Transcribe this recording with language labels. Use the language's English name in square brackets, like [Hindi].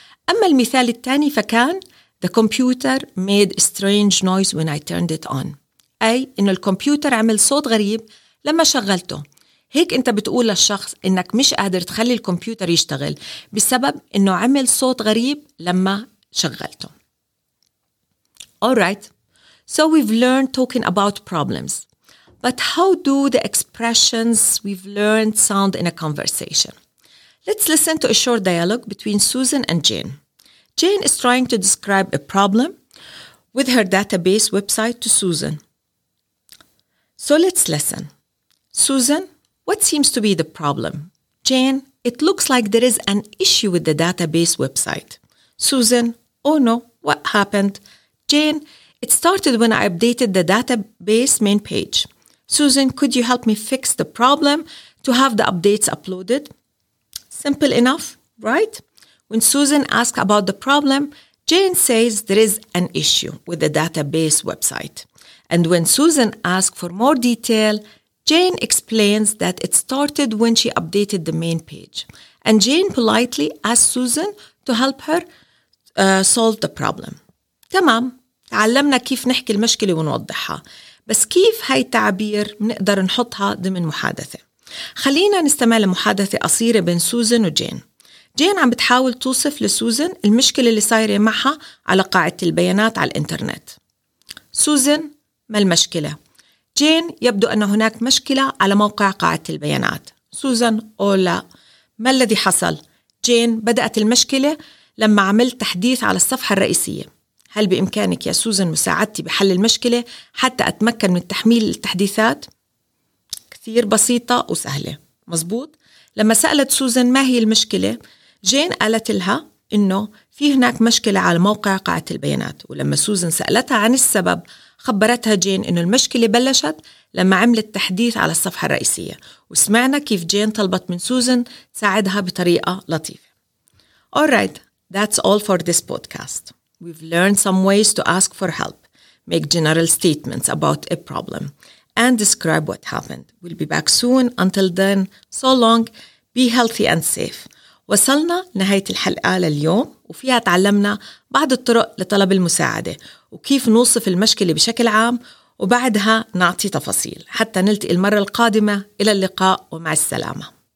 [Arabic] أما المثال الثاني فكان [English] The computer made strange noise when I turned it on. [Arabic] أي إنه الكمبيوتر عمل صوت غريب لما شغلته. هيك أنت بتقول للشخص إنك مش قادر تخلي الكمبيوتر يشتغل بسبب إنه عمل صوت غريب لما شغلته. [English] Alright, so we've learned talking about problems. But how do the expressions we've learned sound in a conversation? Let's listen to a short dialogue between Susan and Jane. Jane is trying to describe a problem with her database website to Susan. So let's listen. Susan, what seems to be the problem? Jane, it looks like there is an issue with the database website. Susan, oh no, what happened? Jane, it started when I updated the database main page. Susan, could you help me fix the problem to have the updates uploaded? Simple enough, right? When Susan asks about the problem, Jane says there is an issue with the database website. And when Susan asks for more detail, Jane explains that it started when she updated the main page. And Jane politely asks Susan to help her solve the problem. [Arabic] تمام، تعلمنا كيف نحكي المشكلة ونوضحها. بس كيف هاي التعبير منقدر نحطها ضمن محادثة؟ خلينا نستمع لمحادثة قصيرة بين سوزان وجين. جين عم بتحاول توصف لسوزان المشكلة اللي صايرة معها على قاعدة البيانات على الانترنت. سوزان، ما المشكلة؟ جين، يبدو أن هناك مشكلة على موقع قاعدة البيانات. سوزان، أو لا، ما الذي حصل؟ جين، بدأت المشكلة لما عملت تحديث على الصفحة الرئيسية. هل بإمكانك يا سوزان مساعدتي بحل المشكلة حتى أتمكن من تحميل التحديثات؟ كثير بسيطة وسهلة، مزبوط؟ لما سألت سوزان ما هي المشكلة، جين قالت لها إنه في هناك مشكلة على موقع قاعدة البيانات، ولما سوزان سألتها عن السبب، خبرتها جين إنه المشكلة بلشت لما عملت تحديث على الصفحة الرئيسية، وسمعنا كيف جين طلبت من سوزان تساعدها بطريقة لطيفة. [English] Alright, that's all for this podcast. We've learned some ways to ask for help, make general statements about a problem, and describe what happened. We'll be back soon. Until then, so long, be healthy and safe. [Arabic] وصلنا نهاية الحلقة لليوم وفيها تعلمنا بعض الطرق لطلب المساعدة وكيف نوصف المشكلة بشكل عام وبعدها نعطي تفاصيل حتى نلتقي المرة القادمة. إلى اللقاء ومع السلامة.